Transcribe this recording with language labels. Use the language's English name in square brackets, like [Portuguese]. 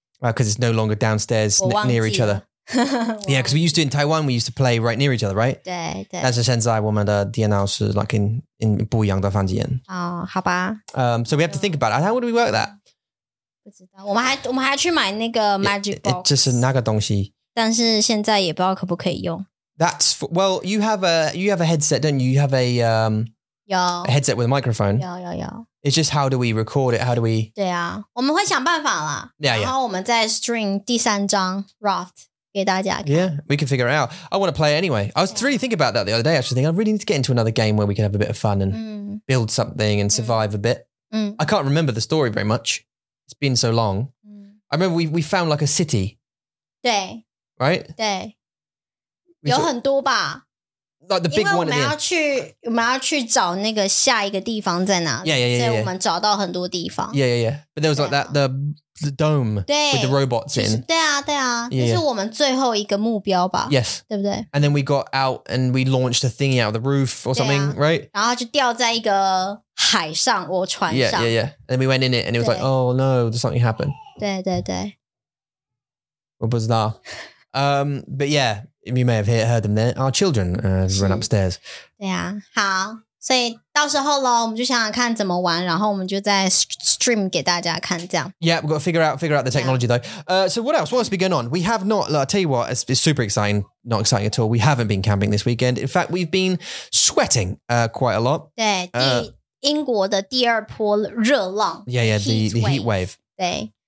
[English] Because it's no longer downstairs near each other. Yeah, because we used to in Taiwan, we used to play right near each other, right? [Chinese] 对。但是现在我们的电脑是 [English] like in [Chinese] 不一样的房间。哦，好吧。 [English] So we have to think about it. How would we work that? [Chinese] 不知道。我们还去买那个 magic box。就是那个东西。但是现在也不知道可不可以用。 [English] That's well, you have a headset, don't you? You have a headset with a microphone. [Chinese] 有。 [English] It's just how do we record it? How do we? [Chinese] 对啊，我们会想办法啦。 [English] Yeah. [Chinese] 然后我们再 stream 第三章 Raft。给大家看 [English] Yeah, we can figure it out. I want to play it anyway. I was really thinking about that the other day, actually. I really need to get into another game where we can have a bit of fun and build something and survive a bit. I can't remember the story very much. It's been so long. I remember we found like a city. [Chinese] 对 [English] Right? [Chinese] 对有很多吧 [English] Like the big one in the end. [Chinese] 我们要去找那个下一个地方在哪里 [English] Yeah. [Chinese] 所以我们找到很多地方 [English] Yeah. But there was like that, the dome with the robots in. [Chinese] 对啊。 [English] Yeah. [Chinese] 这是我们最后一个目标吧。 [English] Yes. [Chinese] 对不对 [English] And then we got out and we launched a thingy out of the roof or something, right? [Chinese] 然后就掉在一个海上或船上。 [English] Yeah. And then we went in it and it was like, oh no, there's something happened. [Chinese] 对。我不知道。 [English] But yeah, you may have heard them there. Our children run upstairs. [Chinese] 对啊。好。所以到时候咯我们就想想看怎么玩然后我们就再 stream 给大家看这样。 [English] Yeah, we've got to figure out the technology though. So what else? What has been going on? We have not, like, I'll tell you what, it's super exciting, not exciting at all. We haven't been camping this weekend. In fact, we've been sweating quite a lot. [Chinese] 对英国的第二波热浪。 [English] Yeah, the heat wave. [Chinese] 对。